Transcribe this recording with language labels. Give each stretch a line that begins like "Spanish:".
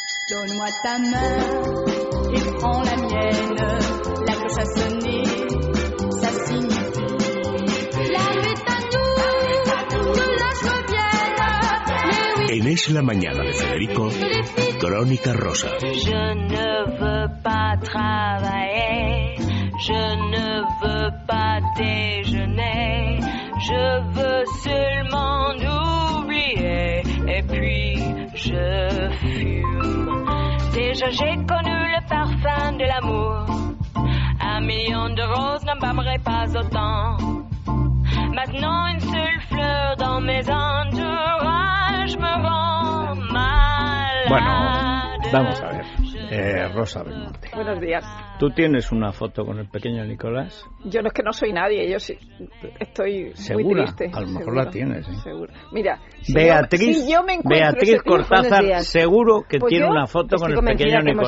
French: Donne-moi ta main et prends la mienne. La cloche a sonné, ça signifie la lutte à nous, de là je reviens.
Spanish: En Es la mañana de Federico, Crónica Rosa.
French: Je ne veux pas travailler, je ne veux pas déjeuner, je veux seulement oublier. Et puis je fume. Déjà j'ai connu le parfum de l'amour. Un million de roses n'embaumerait pas autant. Maintenant une seule fleur dans mes entourages me rend malade.
Spanish: Bueno, vamos a ver. Rosa Belmonte. Buenos días. ¿Tú tienes una foto con el pequeño Nicolás? Yo no, es que no soy nadie, yo sí, estoy ¿segura? Muy triste. A lo mejor seguro, la tienes. ¿Eh? Seguro. Mira, Beatriz Cortázar, seguro que pues tiene una foto con el pequeño Nicolás.